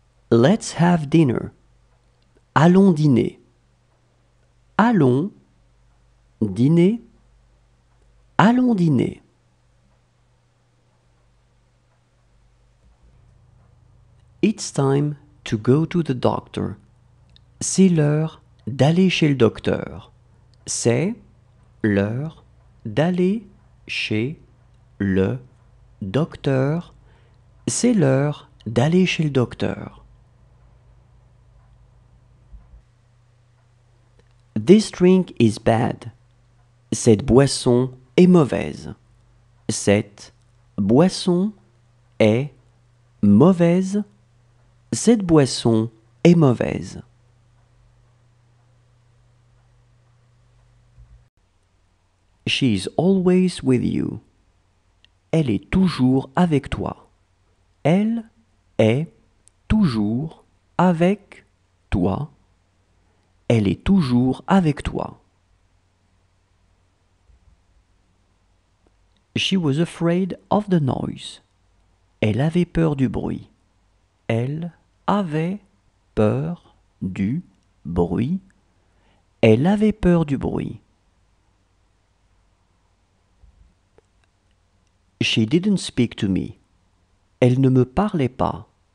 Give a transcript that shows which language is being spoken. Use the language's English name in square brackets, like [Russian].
[English] Let's have dinner. [French] Allons dîner. Allons dîner. Allons dîner. [English] It's time to go to the doctor. [French] C'est l'heure d'aller chez le docteur. C'est l'heure d'aller chez le docteur. C'est l'heure d'aller chez le docteur. [English] This drink is bad. [French] Cette boisson est mauvaise. Cette boisson est mauvaise. Cette boisson est mauvaise. [English] She is always with you. [French] Elle est toujours avec toi. Elle est toujours avec toi. Elle est toujours avec toi. [English] She was afraid of the noise. [French] Elle avait peur du bruit. Elle avait peur du bruit. Elle avait peur du bruit. [English] She didn't speak to me. [French] Elle ne me parlait pas.